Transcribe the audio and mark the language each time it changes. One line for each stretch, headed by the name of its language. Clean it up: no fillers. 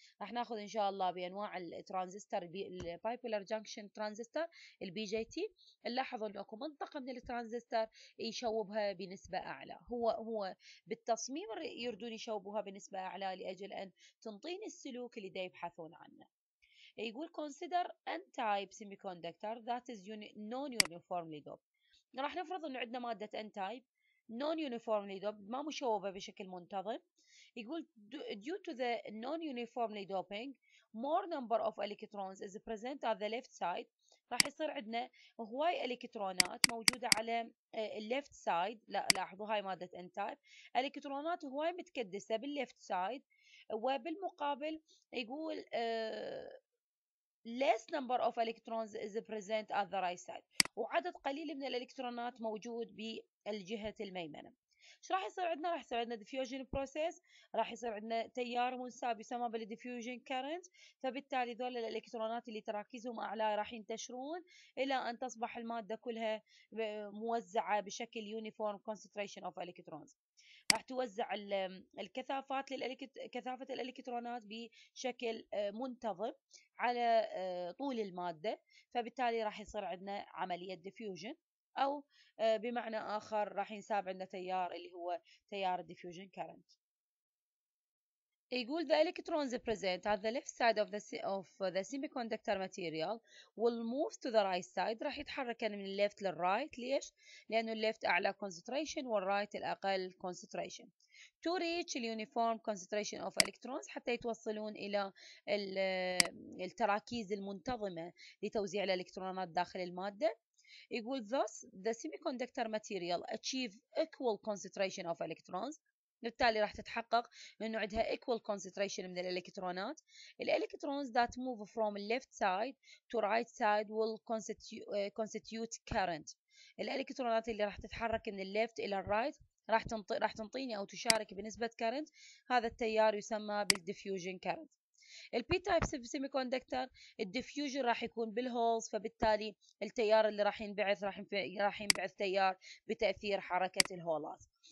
Arabic: راح ناخذ ان شاء الله بانواع الترانزستور البايبولار جانكشن ترانزستور البي جي تي، نلاحظ انه اكو منطقة من الترانزستور يشوبها بنسبة اعلى، هو بالتصميم يردون يشوبوها بنسبة اعلى لاجل ان تنطيني السلوك اللي دا يبحثون عنه.
English: يقول consider n type semiconductor that is non-uniformly doped.
Arabic: راح نفرض انه عندنا مادة n type non uniformly doped ما مشوبة بشكل منتظم.
English: يقول due to the non uniformly doping more number of electrons is present at the left side، راح يصير عندنا هواي الكترونات موجودة على left side.
Arabic: لا لاحظوا هاي مادة n type، الكترونات هواي متكدسة بال left side، وبالمقابل يقول less number of electrons is present at the right side، وعدد قليل من الالكترونات موجود بالجهة الميمنة. ايش راح يصير عندنا؟ راح يصير عندنا diffusion process، راح يصير عندنا تيار منساب يسمى بالديفيوجن كارنت، فبالتالي ذول الالكترونات اللي تراكزهم اعلى راح ينتشرون الى ان تصبح المادة كلها موزعة بشكل uniform concentration of electrons، راح توزع الكثافات كثافة الالكترونات بشكل منتظم على طول المادة، فبالتالي راح يصير عندنا عملية diffusion، أو بمعنى آخر راح ينساب عندنا تيار اللي هو تيار diffusion current.
English: يقول the electrons present at the left side of the semiconductor material will move to the right side، راح يتحرك من left للright.
Arabic: ليش؟ لأنه left أعلى concentration والright الأقل concentration، to reach the uniform concentration of electrons حتى يتوصلون إلى التراكيز المنتظمة لتوزيع الإلكترونات داخل المادة.
English: يقول thus the semiconductor material achieve equal concentration of electrons، بالتالي راح تتحقق انه عندها equal concentration من الالكترونات. الالكترونز that move from left side to right side will constitute current، الالكترونات اللي راح تتحرك من left الى right راح تنطيني او تشارك بنسبة current، هذا التيار يسمى بالdiffusion current.
Arabic: ال P-type semiconductor الديفيوجن راح يكون بالهولز، فبالتالي التيار اللي راح ينبعث راح ينبعث تيار بتأثير حركة الهولات.